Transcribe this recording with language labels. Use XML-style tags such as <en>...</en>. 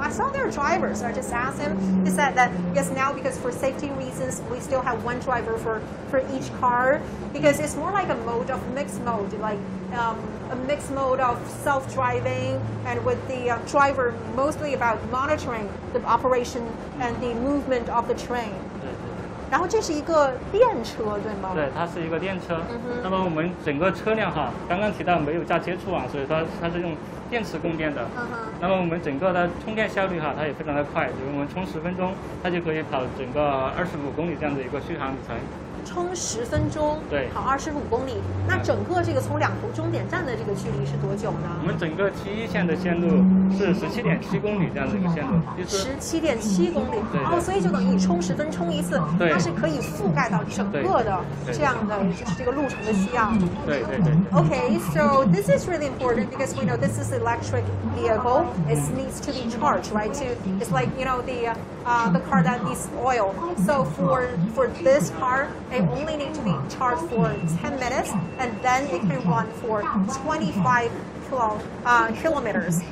<en>I saw their drivers. I just asked him. He said that yes, now because for safety reasons, we still have one driver for each car, because it's more like a mode of mixed mode, like a mixed mode of self-driving and with the driver mostly about monitoring the operation and the movement of the train.</en> <zh>对。然后这是一个电车，对吗？对，它是一个电车。那么我们整个车辆哈，刚刚提到没有加接触网，所以它是用。电池供电的，那么我们整个的充电效率哈，它也非常的快，就是我们充10分钟，它就可以跑整个25公里这样的一个续航里程。充10分钟，对，跑25公里，那整个这个从两头终点站的这个距离是多久呢？我们整个T1线的线路是17.7公里这样的一个线路，就是 17.7公里，对，所以就等于你充十分充一次，对，它是可以覆盖到整个的这样的就是这个路程的需要。对。</zh> <en>Okay, so this is really important because we know this is electric vehicle. It needs to be charged, right? It's like you know the the car that needs oil. So for this car, they only need to be charged for 10 minutes, and then it can run for 25 kilometers.</en>